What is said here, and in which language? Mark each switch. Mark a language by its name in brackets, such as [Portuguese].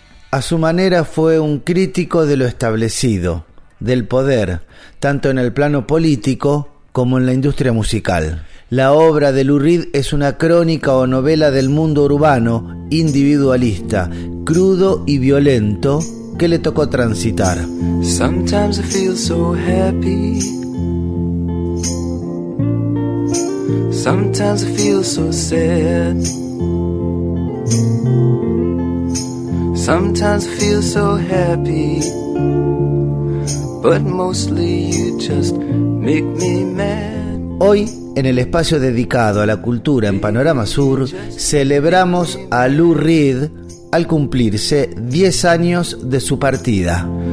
[Spanish] A su manera fue un crítico de lo establecido, del poder, tanto en el plano político como en la industria musical. La obra de Lou Reed es una crónica o novela del mundo urbano, individualista, crudo y violento, que le tocó transitar. [English] Sometimes I feel so happy. Sometimes I feel so sad. Sometimes I feel so happy. But mostly you just make me mad. [Spanish] Hoy, en el espacio dedicado a la cultura en Panorama Sur, celebramos a Lou Reed al cumplirse 10 años de su partida.